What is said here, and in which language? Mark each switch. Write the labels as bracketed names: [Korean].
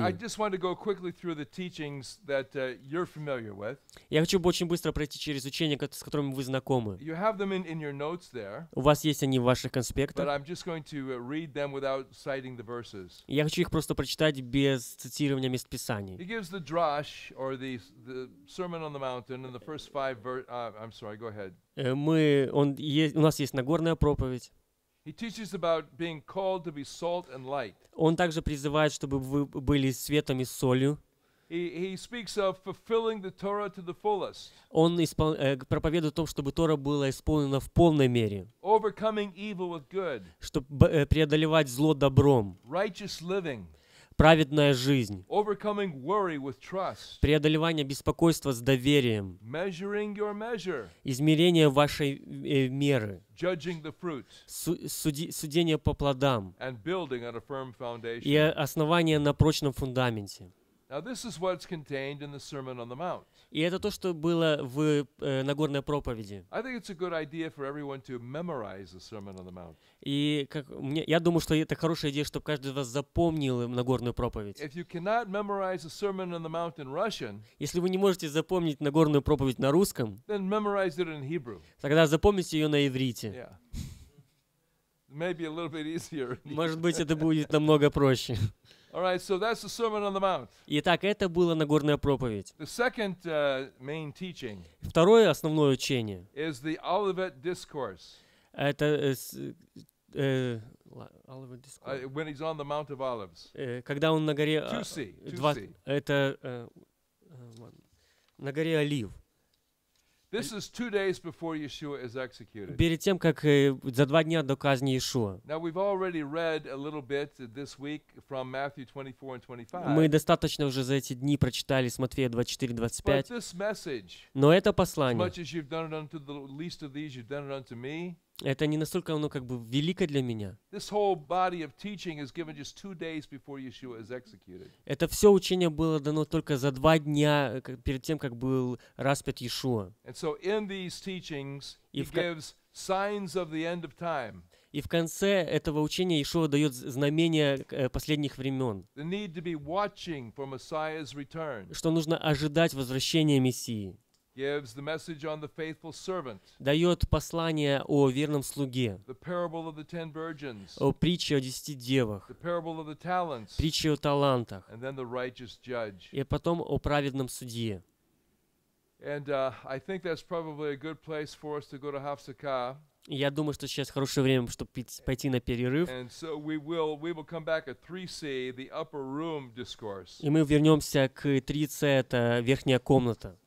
[English] I just want to go quickly through the teachings that you're familiar with. [Russian] Я хочу очень быстро пройти через учения, с которыми вы знакомы. [English] You have them in your notes there. [Russian] У вас есть они в ваших конспектах. [English] But I'm just going to read them without citing the verses. [Russian] Я хочу их просто прочитать без цитирования мест Писаний. [English] He gives the drash or the Sermon on the Mountain in the first five I'm sorry, go ahead. [Russian] У нас есть Нагорная проповедь. [English] He teaches about being called to be salt and light. [Russian] Он также призывает, чтобы вы были светом и солью. [English] He speaks of fulfilling the Torah to the fullest. [Russian] Он проповедует о том, чтобы Тора была исполнена в полной мере. [English] Overcoming evil with good. [Russian] Чтобы преодолевать зло добром. [English] Righteous living. [Russian] Праведная жизнь. [English] Overcoming worry with trust. [Russian] Преодолевание беспокойства с доверием. [English] Measuring your measure. [Russian] Измерение вашей меры. [English] Judging the fruit. [Russian] Судение по плодам. [English] And building on a firm foundation. [Russian] И основание на прочном фундаменте. [English] Now this is what's contained in the Sermon on the Mount. [Russian] И это то, что было в Нагорной проповеди. [English] I think it's a good idea for everyone to memorize the Sermon on the Mount. [Russian] И я думаю, что это хорошая идея, чтобы каждый из вас запомнил Нагорную проповедь. [English] If you cannot memorize the Sermon on the Mount in Russian, [Russian] если вы не можете запомнить Нагорную проповедь на русском, [English] then memorize it in Hebrew. [Russian] Тогда запомните ее на иврите. [English] Yeah. Maybe a little bit easier. [Russian] Может быть, это будет намного проще. [English] All right, so that's the Sermon on the Mount. [Russian] Итак, это была Нагорная проповедь. [English] The second main teaching. [Russian] Второе основное учение. [English] Is the Olivet Discourse. [Russian] Это Olivet Discourse. [English] When he's on the Mount of Olives. [Russian] Когда он на горе. Tusi. Это на горе Олив. [English] This is 2 days before Yeshua is executed. [Russian] Перед тем, как за 2 дня до казни Иешуа. [English] Now we've already read a little bit this week from Matthew 24 and 25. [Russian] Мы достаточно уже за эти дни прочитали с Матфея 24-25. [English] But this message. [Russian] Но это послание. [English] As much as you've done it unto the least of these, you've done it unto me. [Russian] Это не настолько оно как бы велико для меня. [English] This whole body of teaching is given just 2 days before Yeshua is executed. [Russian] Это все учение было дано только за 2 дня перед тем, как был распят Иешуа. [English] And so in these teachings, he gives signs of the end of time. [Russian] И в конце этого учения Иешуа дает знамения последних времен. [English] The need to be watching for Messiah's return. [Russian] Что нужно ожидать возвращения Мессии. [English] Gives the message on the faithful servant. [Russian] Дает послание о верном слуге. [English] The parable of the 10 virgins. [Russian] О притче о 10 девах. [English] The parable of the talents. [Russian] Притча о талантах. [English] And then the righteous judge. [Russian] И потом о праведном судье. [English] And I think that's probably a good place for us to go to Hafsakah. [Russian] Я думаю, что сейчас хорошее время, чтобы пойти на перерыв. [English] And so we will come back at 3C, the upper room discourse. [Russian] И мы вернемся к 3C, это верхняя комната.